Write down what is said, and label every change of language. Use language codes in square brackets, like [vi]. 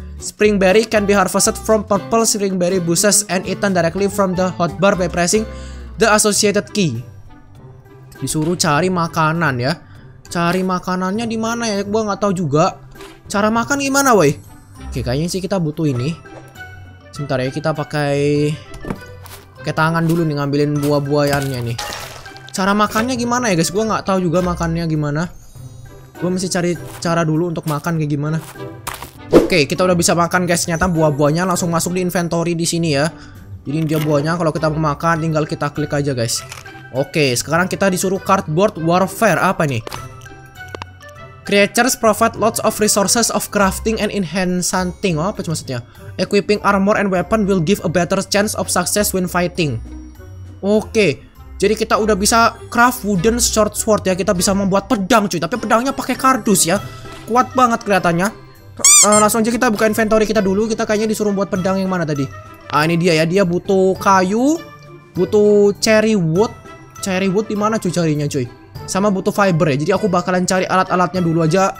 [en] Spring berry can be harvested from purple spring berry bushes and eaten directly from the hotbar by pressing the associated key. [id] Disuruh cari makanan ya. Cari makanannya di mana ya? Gua nggak tahu juga. Cara makan gimana, woi? Oke, kayaknya sih kita butuh ini. Sebentar ya, kita pakai tangan dulu nih ngambilin buah-buahannya nih. Cara makannya gimana ya, guys? Gua nggak tahu juga makannya gimana. Gue mesti cari cara dulu untuk makan kayak gimana. Oke, kita udah bisa makan guys. Ternyata buah-buahnya langsung masuk di inventory di sini ya. Jadi dia buahnya kalau kita mau makan tinggal kita klik aja guys. Oke, sekarang kita disuruh cardboard warfare. Apa nih? [en] Creatures provide lots of resources of crafting and enhancing. [id] Oh, apa maksudnya? [en] Equipping armor and weapon will give a better chance of success when fighting. [id] Oke. Jadi kita udah bisa craft wooden short sword ya. Kita bisa membuat pedang cuy. Tapi pedangnya pakai kardus ya. Kuat banget kelihatannya. Langsung aja kita buka inventory kita dulu. Kita kayaknya disuruh buat pedang yang mana tadi. Ah ini dia ya. Dia butuh kayu. Butuh cherry wood. Cherry wood dimana cuy carinya cuy. Sama butuh fiber ya. Jadi aku bakalan cari alat-alatnya dulu aja.